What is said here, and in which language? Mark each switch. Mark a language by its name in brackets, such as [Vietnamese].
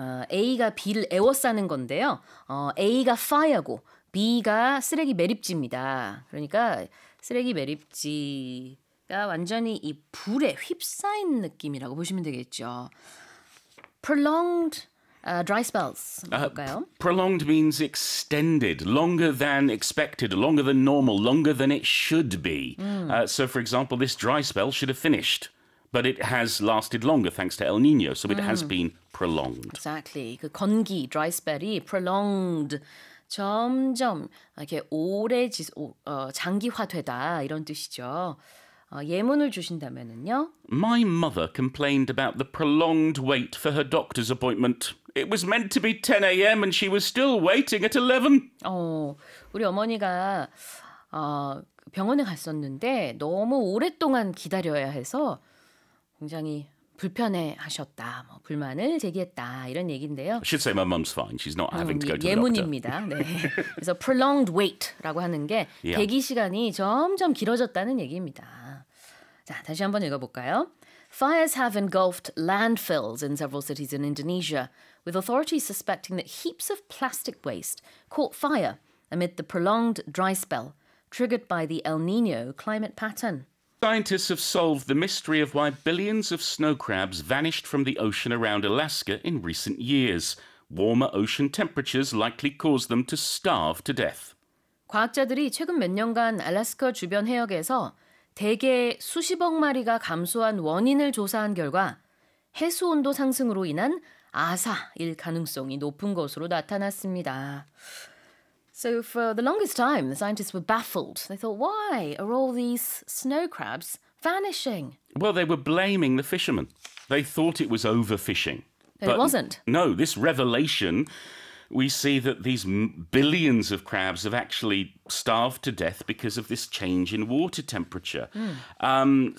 [Korean] A가 B를 에워싸는 건데요. A가 fire고 B가 쓰레기 매립지입니다. 그러니까 쓰레기 매립지가 완전히 이 불에 휩싸인 느낌이라고 보시면 되겠죠. [English] Prolonged dry spells. Prolonged means extended, longer than expected, longer than normal, longer than it should be. So, for example, this dry spell should have finished, but it has lasted longer thanks to El Nino, so it has been prolonged. Exactly. [Korean] 그 건기, dry spell이 prolonged, 점점 이렇게 오래 장기화되다 이런 뜻이죠. 예문을 주신다면은요. [English] My mother complained about the prolonged wait for her doctor's appointment. It was meant to be 10 a.m. and she was still waiting at 11. [Korean] 우리 어머니가 병원에 갔었는데 너무 오랫동안 기다려야 해서 굉장히 불편해 하셨다. 뭐 불만을 제기했다. 이런 얘기인데요. [English] I should say my mum's fine. She's not having to go to the [Korean] 예문입니다. [English] doctor. [Korean] 예문입니다. 네. 그래서 prolonged wait라고 하는 게 yeah. 대기 시간이 점점 길어졌다는 얘기입니다. 자, 다시 한번 읽어볼까요? [English] Fires have engulfed landfills in several cities in Indonesia, with authorities suspecting that heaps of plastic waste caught fire amid the prolonged dry spell triggered by the El Nino climate pattern. Scientists have solved the mystery of why billions of snow crabs vanished from the ocean around Alaska in recent years. Warmer ocean temperatures likely caused them to starve to death. [Korean] 과학자들이 최근 몇 년간 알래스카 주변 해역에서 대개 수십억 마리가 감소한 원인을 조사한 결과 해수 온도 상승으로 인한 아사일 가능성이 높은 것으로 나타났습니다. [English] So for the longest time, the scientists were baffled. They thought, why are all these snow crabs vanishing? Well, they were blaming the fishermen. They thought it was overfishing. But it wasn't. No, this revelation, we see that these billions of crabs have actually starved to death because of this change in water temperature. Mm.